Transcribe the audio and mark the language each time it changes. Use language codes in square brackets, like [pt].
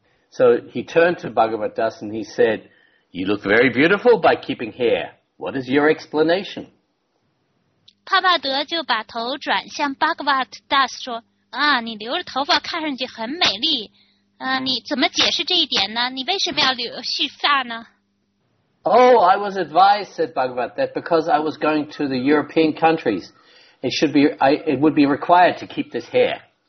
[en] So he turned to Bhagavat Das and he said, "You look very beautiful by keeping hair. What is your explanation?" [zh] 帕帕德就把头转向巴格瓦特大斯说，你留着头发看上去很美丽，你怎么解释这一点呢？你为什么要留续发呢？" [en] "Oh, I was advised," said Bhagavat, "that because I was going to the European countries, it would be required to keep this hair."